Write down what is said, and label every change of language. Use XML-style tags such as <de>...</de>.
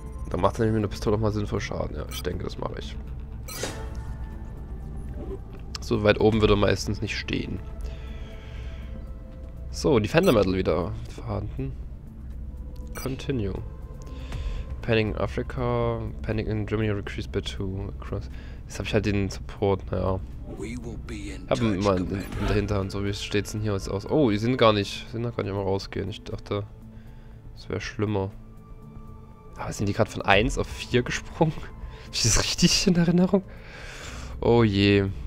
<de>Da macht dann nämlich eine Pistole auch mal sinnvoll Schaden. Ja, ich denke, das mache ich. So weit oben würde er meistens nicht stehen. So, die Defender Medal wieder vorhanden.</de> <en>Continue. Panic in Africa, Panic in Germany will increase by 2 across.</en> <de>Jetzt habe ich halt den Support, naja. Haben immer in dahinter und so, wie steht es denn hier jetzt aus? Oh, die sind gar nicht, sind da gar nicht immer rausgehen. Ich dachte, es wäre schlimmer. Aber sind die gerade von 1 auf 4 gesprungen? Ist das richtig in Erinnerung? Oh je.</de>